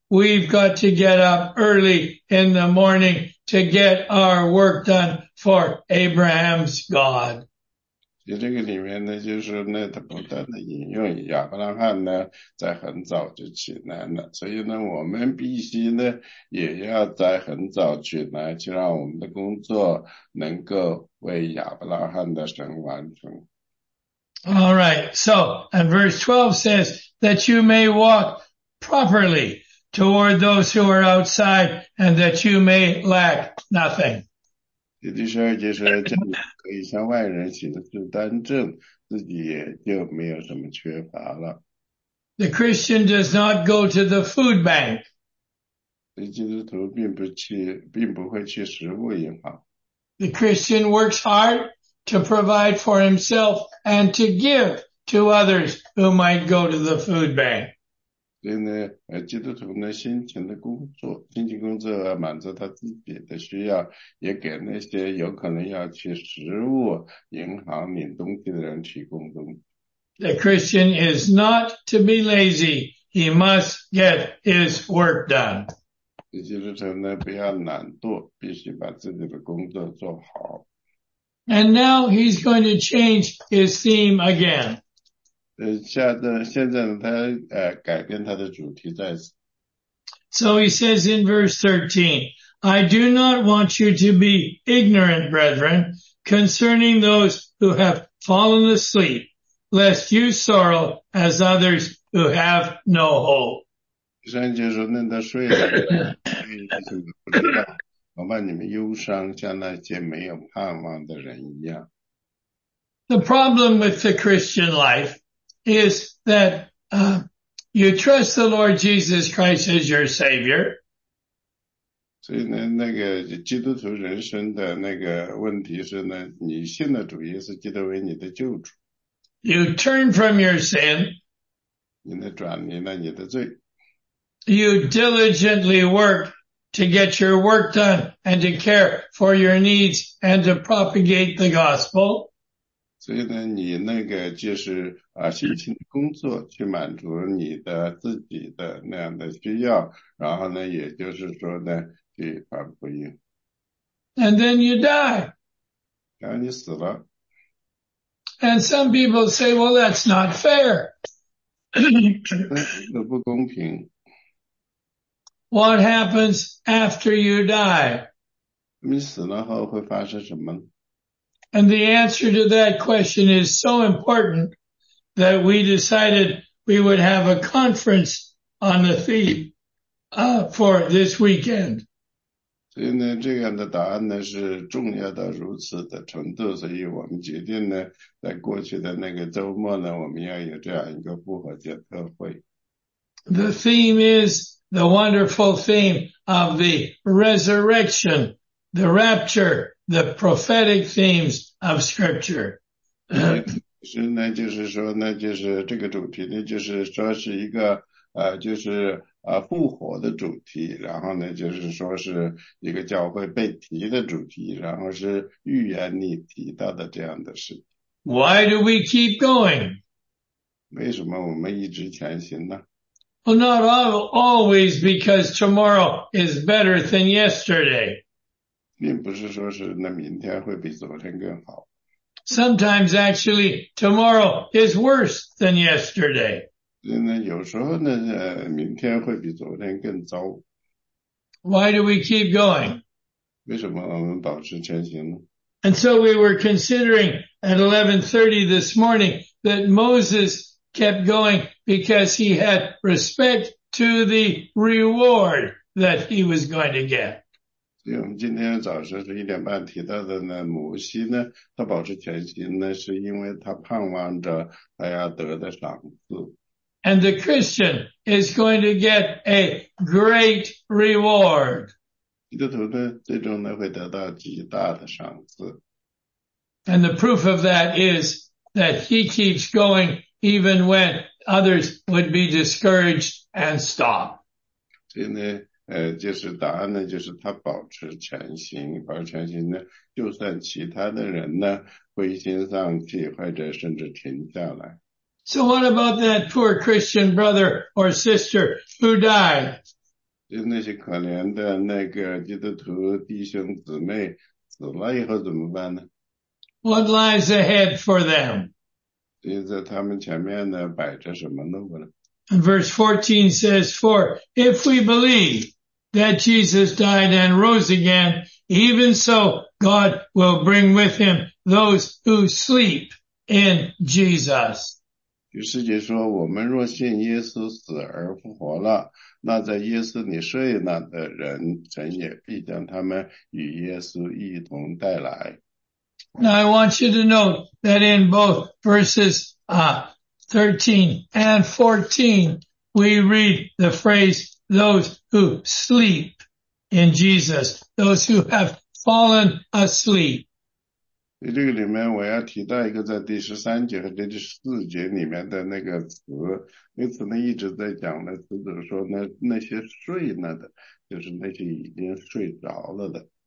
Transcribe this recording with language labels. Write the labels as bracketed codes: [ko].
[en] We've got to get up early in the morning to get our work done for Abraham's God. [zh] 这个里面呢，就是呢，他不断的引用亚伯拉罕呢，在很早就起来了，所以呢，我们必须呢，也要在很早起来，去让我们的工作能够为亚伯拉罕的神完成。 [en] All right, so, and verse 12 says that you may walk properly toward those who are outside and that you may lack nothing. [zh] 第十二节说，可以向外人行事端正，自己也就没有什么缺乏了。 [en] The Christian does not go to the food bank. [zh] 基督徒并不会去食物银行。 [en] The Christian works hard to provide for himself and to give to others who might go to the food bank. [zh] 所以呢，基督徒呢，辛勤的工作，辛勤工作满足他自己的需要，也给那些有可能要去食物银行领东西的人提供东西。 [en] The Christian is not to be lazy. He must get his work done. [zh] 基督徒呢，不要懒惰，必须把自己的工作做好。 [en] And now he's going to change his theme again. [zh] 现在呢他改变他的主题再次。 [en] So he says in verse 13, I do not want you to be ignorant, brethren, concerning those who have fallen asleep, lest you sorrow as others who have no hope. [zh] 第三节说那他睡了不知道我怕你们忧伤像那些没有盼望的人一样。 [en] The problem with the Christian life,is that, you trust the Lord Jesus Christ as your Savior. [zh] 所以呢那个基督徒人生的那个问题是呢你信了主耶稣基督为你的救主。 [en] You turn from your sin. [zh] 你呢转离了你的罪。 [en] You diligently work to get your work done and to care for your needs and to propagate the gospel. [zh] 所以呢，你那个就是啊，辛勤工作去满足你的自己的那样的需要，然后呢，也就是说呢，去传福音。 [en] And then you die. [zh] 然后你死了。 [en] And some people say, well, that's not fair. [zh] 那不公平。 [en] What happens after you die? [zh] 你死了后会发生什么？ [en] And the answer to that question is so important that we decided we would have a conference on the theme, for this weekend. [zh] 所以呢，这样的答案呢是重要到如此的程度，所以我们决定呢，在过去的那个周末呢，我们要有这样一个复活节特会。 [en] The theme is the wonderful theme of the resurrection, the rapture,the prophetic themes of Scripture. [zh] 是呢，就是说呢，就是这个主题呢，就是说是一个就是复活的主题，然后呢，就是说是一个教会被提的主题，然后是预言里提到的这样的事。 [en] Why do we keep going? [zh] 为什么我们一直前行呢？ [en] Well, not always because tomorrow is better than yesterday. [zh] 并不是说是那明天会比昨天更好。 [en] Sometimes actually tomorrow is worse than yesterday. [zh] 因为有时候呢明天会比昨天更糟。 [en] Why do we keep going? [zh] 为什么我们保持前行呢？ [en] And so we were considering at 11:30 this morning that Moses kept going because he had respect to the reward that he was going to get. [zh] 所以我们今天早上是一点半提到的呢，摩西呢，他保持前行呢，是因为他盼望着他要得的赏赐。 [en] And the Christian is going to get a great reward. [zh] 基督徒呢，最终呢会得到极大的赏赐。 [en] And the proof of that is that he keeps going even when others would be discouraged and stop. [zh] 所以呢。就是答案呢，就是他保持前行，保持前行呢，就算其他的人呢灰心丧气，或者甚至停下来。 [en] So what about that poor Christian brother or sister who died? [zh] 就那些可怜的那个基督徒弟兄姊妹死了以后怎么办呢？ [en] What lies ahead for them? [zh] 就在他们前面呢摆着什么路呢？ [en] And verse 14 says, For if we believe that Jesus died and rose again, even so God will bring with him those who sleep in Jesus. [zh] 第十节说，我们若信耶稣死而复活了，那在耶稣里睡那的人，神也必将他们与耶稣一同带来。 [en] Now I want you to note that in both verses, 13 and 14, we read the phrase, those who sleep in Jesus, those who have fallen asleep. [zh] 在这个里面我要提到一个在第十三节和第四节里面的那个词，那词呢一直在讲的词就是说那些睡了的，就是那些已经睡着了的。